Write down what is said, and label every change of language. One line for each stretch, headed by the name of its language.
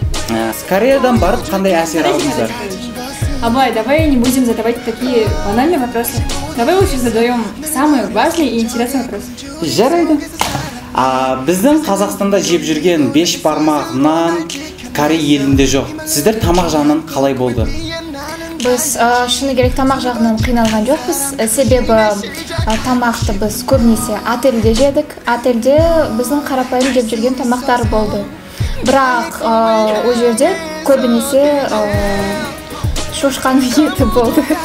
Kazakh: С Кореядан барып, қандай әсер алдыңыздар?
Russian: Абай, давай не будем задавать такие банальные вопросы. Давай лучше задаем самые важные и интересные вопросы.
Kazakh: Жарайды. Біздің Қазақстанда жеп жүрген беш бармақ нан Корей елінде жоқ. Сіздер тамақ жағынан қалай болды? Біз шыны керек тамақ жағынан қиналған жоқпыз, себебі тамақты біз көбінесе отельде жедік. Отельде біздің қарапайым жеп жүрген тамақтар болды. Бірақ ол жерде көбінесе шошқан еті болды.